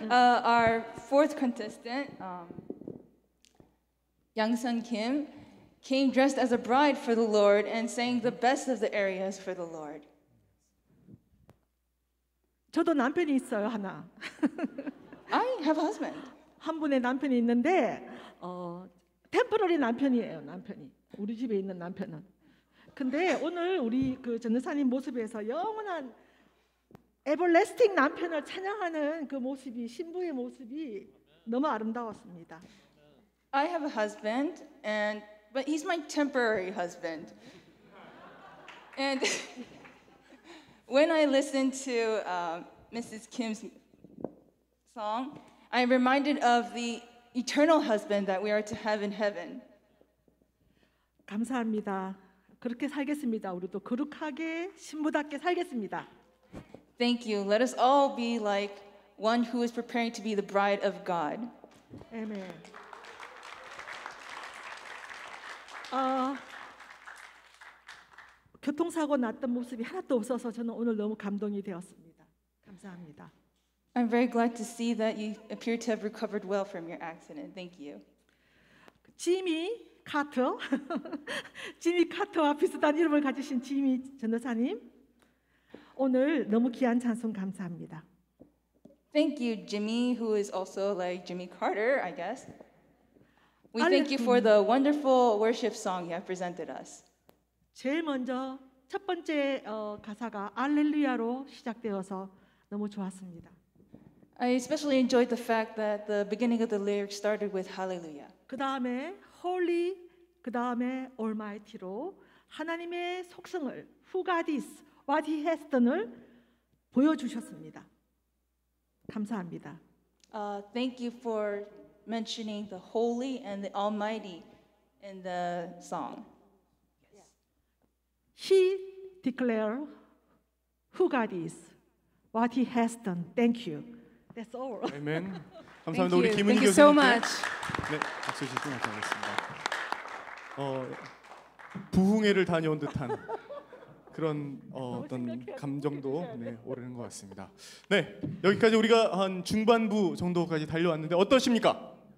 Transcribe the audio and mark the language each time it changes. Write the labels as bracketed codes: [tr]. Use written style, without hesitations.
[en] our fourth contestant, Yangsun Kim, came dressed as a bride for the Lord and sang the best of the arias for the Lord. [ko] 저도 남편이 있어요, 하나. [en] I have a husband. [ko] 한 분의 남편이 있는데 템포러리 남편이에요, 남편이. 우리 집에 있는 남편은. 근데 오늘 우리 그 전도사님 모습에서 영원한 에버레스팅 남편을 찬양하는 그 모습이 신부의 모습이 너무 아름다웠습니다. [en] I have a husband and But he's my temporary husband. And when I listened to Mrs. Kim's song, I'm reminded of the eternal husband that we are to have in heaven. [ko] 감사합니다. 그렇게 살겠습니다. 우리도 거룩하게 신부답게 살겠습니다. [en] Thank you. Let us all be like one who is preparing to be the bride of God. Amen. [ko] 교통사고 났던 모습이 하나도 없어서 저는 오늘 너무 감동이 되었습니다. 감사합니다. [en] I'm very glad to see that you appear to have recovered well from your accident. Thank you. [ko] 지미 카터, 지미 카터와 비슷한 이름을 가지신 지미 전도사님, 오늘 너무 귀한 찬송 감사합니다. [en] Thank you, Jimmy, who is also like Jimmy Carter, I guess. We thank you for the wonderful worship song you have presented us. [ko] 제일 먼저 첫 번째 가사가 알렐루야로 시작되어서 너무 좋았습니다. [en] I especially enjoyed the fact that the beginning of the lyric started with hallelujah. [ko] 그다음에 holy, 그다음에 almighty로 하나님의 속성을 [en] who God is, what he has done [ko] 을 보여주셨습니다. 감사합니다. [en] Thank you for mentioning the holy and the almighty in the song. Yes. He declared who God is, what he has done. Thank you. That's all. Amen. [ko] 감사합니다. 우리 김은희 교수님. [en] Thank you so much. [ko] 네, 박수 주시면 감사하겠습니다. 부흥회를 다녀온 듯한 그런 어떤 감정도 네, 오르는 것 같습니다. 네, 여기까지 우리가 한 중반부 정도까지 달려왔는데 어떠십니까?